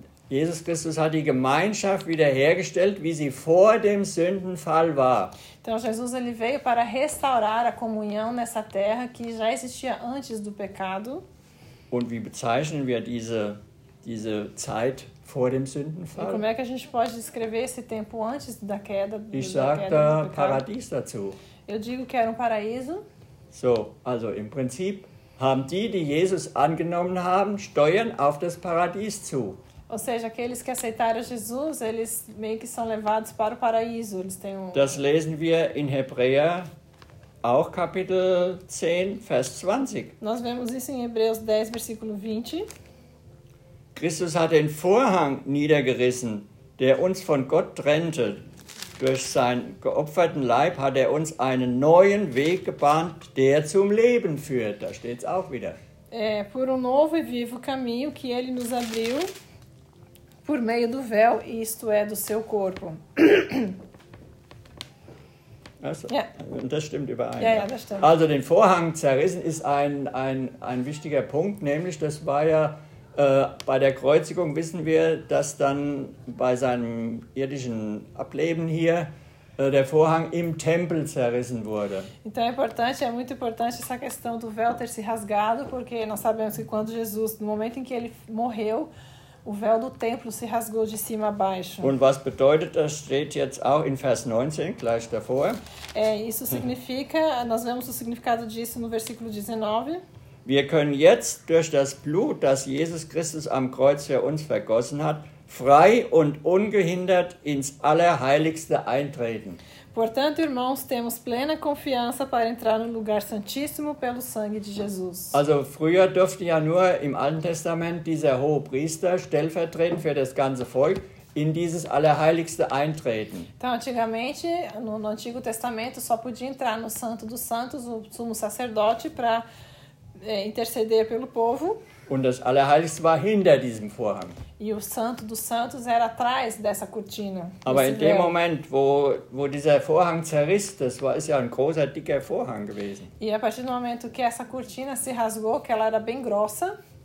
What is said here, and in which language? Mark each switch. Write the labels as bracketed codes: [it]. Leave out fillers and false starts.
[de] Jesus Christus hat die Gemeinschaft wiederhergestellt, wie sie vor dem Sündenfall war. [pt] Então Jesus ele veio para restaurar a comunhão nessa terra que já existia antes do pecado. [de] Und wie bezeichnen wir diese Zeit vor dem Sündenfall? [pt] E como é que a gente pode descrever esse tempo antes da queda? [de] Ich sage da Paradies dazu. [pt] Eu digo que era um paraíso. [de] So, also im Prinzip haben die Jesus angenommen haben, steuern auf das Paradies zu. [pt] Ou seja, aqueles que aceitaram Jesus, eles meio que são levados para o paraíso. Eles têm um... [de] Das lesen wir in Hebräer, auch Kapitel 10, Vers 20. [pt] Nós vemos isso em Hebreus 10, versículo 20. [de] Christus hat den Vorhang niedergerissen, der uns von Gott trennte. Durch seinen geopferten Leib hat er uns einen neuen Weg gebahnt, der zum Leben führt. Da steht es auch wieder. [pt] Por um novo e vivo caminho que ele nos abriu por meio do véu, isto é, do seu corpo. [de] Also, yeah. Das stimmt überein. Ja, das stimmt. Also den Vorhang zerrissen ist ein wichtiger Punkt, nämlich das war ja bei der Kreuzigung wissen wir, dass dann bei seinem irdischen Ableben hier der Vorhang im Tempel zerrissen wurde. [pt] Então é muito importante essa questão do véu ter se rasgado, porque nós sabemos que quando Jesus, no momento em que ele morreu, o véu do templo se rasgou de cima a baixo. [de] Und was bedeutet das? Steht jetzt auch in Vers 19, gleich davor. [pt] Isso significa, nós vemos o significado disso no versículo 19. [de] Wir können jetzt durch das Blut, das Jesus Christus am Kreuz für uns vergossen hat, frei und ungehindert ins Allerheiligste eintreten. [pt] Portanto, irmãos, temos plena confiança para entrar no lugar santíssimo pelo sangue de Jesus. [de] Also früher durfte ja nur im Alten Testament dieser hohe Priester stellvertretend für das ganze Volk in dieses Allerheiligste eintreten. [pt] Então, antigamente, no Antigo Testamento, só podia entrar no Santo dos Santos o sumo sacerdote para interceder pelo povo. [de] Und das Allerheiligste war hinter diesem Vorhang. [pt] E o Santo dos Santos era atrás dessa cortina. [de] Aber in dem Moment, wo dieser Vorhang zerriss, das war ist ja ein großer dicker Vorhang gewesen. [pt] E a partir do momento que essa cortina se rasgou, que ela era bem grossa.